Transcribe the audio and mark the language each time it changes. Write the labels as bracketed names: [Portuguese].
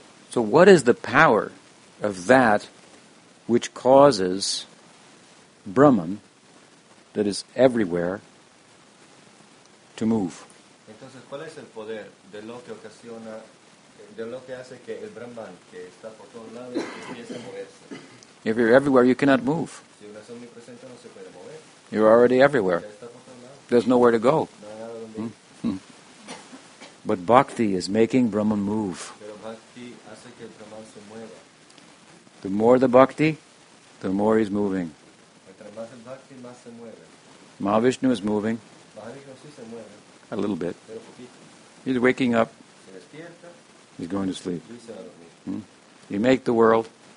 [English] So what is the power of that which causes Brahman, that is everywhere, to move? [Spanish] Entonces, ¿cuál es el poder de lo que ocasiona, de lo que hace que el Brahman, que está por todos lados, empiece a moverse? [English] If you're everywhere, you cannot move. [Spanish] Si uno es omnipresente, no se puede mover. [English] You're already everywhere. [Spanish] Ya está por todos lados. [English] There's nowhere to go. [Spanish] No hay nada donde ir. [English] But bhakti is making Brahman move. [Spanish] Pero bhakti hace que el Brahman se mueva. [English] The more the bhakti, the more he's moving. [Spanish] Entre más el bhakti, más se mueve. [English] Mahavishnu is moving. [Spanish] Mahavishnu sí se mueve. [English] A little bit. [Spanish] Pero poquito. [English] He's waking up. [Spanish] Se despierta. [English] He's going to sleep. [Spanish] Y se va a dormir. [English] You make the world.